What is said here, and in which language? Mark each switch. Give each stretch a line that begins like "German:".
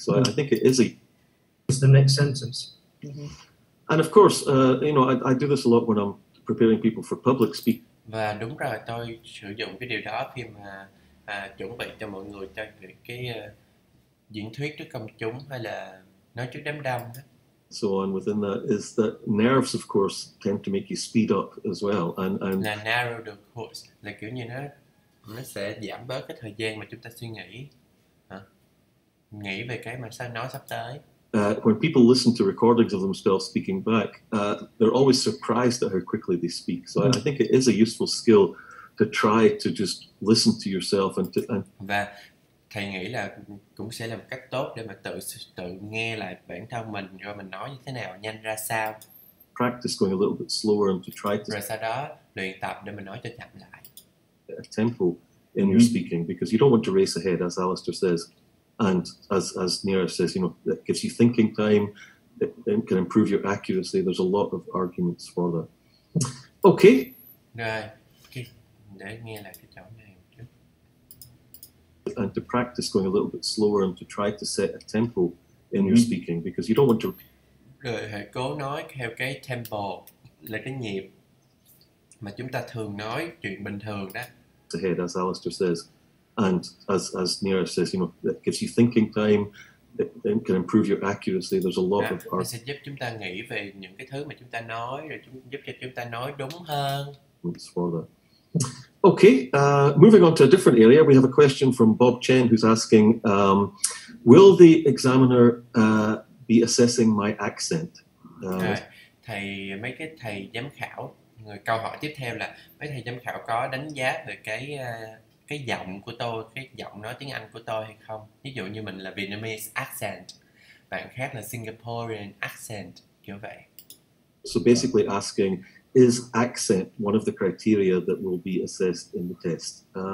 English: So I think it is a... It's the next sentence. Mm-hmm. And of course, you know, I do this a lot when I'm preparing people for public speaking.
Vietnamese: Và đúng rồi, tôi sử dụng cái điều đó khi mà chuẩn bị cho mọi người cho cái diễn thuyết trước công chúng hay là nói trước đám đông.
English: So on within that is that nerves, of course, tend to make you speed up as well. And
Vietnamese: là
English: narrow the course,
Vietnamese: là kiểu như nó sẽ giảm bớt cái thời gian mà chúng ta suy nghĩ. Hả? Nghĩ về cái mà sao nói sắp tới.
English: When people listen to recordings of themselves speaking back, they're always surprised at how quickly they speak. So I think it is a useful skill to try to just listen to yourself and
Vietnamese: và thầy nghĩ là cũng sẽ là một cách tốt để mà tự nghe lại bản thân mình rồi mình nói như thế nào, nhanh ra sao.
English: Practice going a little bit slower and to try to...
Vietnamese: Rồi sau đó luyện tập để mình nói cho chậm lại.
English: A tempo in your speaking, because you don't want to race ahead, as Alistair says. And as Neera says, you know, that gives you thinking time, it can improve your accuracy. There's a lot of arguments for that. Okay.
Vietnamese: Rồi, okay. Để nghe lại cái chỗ này.
English: And to practice going a little bit slower and to try to set a tempo in your speaking, because you don't want to...
Vietnamese: Rồi, hãy cố nói theo cái tempo, là cái nhịp mà chúng ta thường nói chuyện bình thường đó.
English: Ahead, as Alistair says, and as Neera says, you know, that gives you thinking time, it can improve your accuracy, there's a lot of...
Vietnamese: Nó sẽ giúp chúng ta nghĩ về những cái thứ mà chúng ta nói, rồi giúp cho chúng ta nói đúng hơn.
English: It's for that. Okay, moving on to a different area, we have a question from Bob Chen, who's asking, will the examiner be assessing my accent?
Vietnamese: Thầy, mấy cái thầy giám khảo, người câu hỏi tiếp theo là, mấy thầy giám khảo có đánh giá về cái cái giọng của tôi, cái giọng nói tiếng Anh của tôi hay không. Ví dụ như mình là Vietnamese accent, bạn khác là Singaporean accent, kiểu vậy.
English: So basically asking, is accent one of the criteria that will be assessed in the test?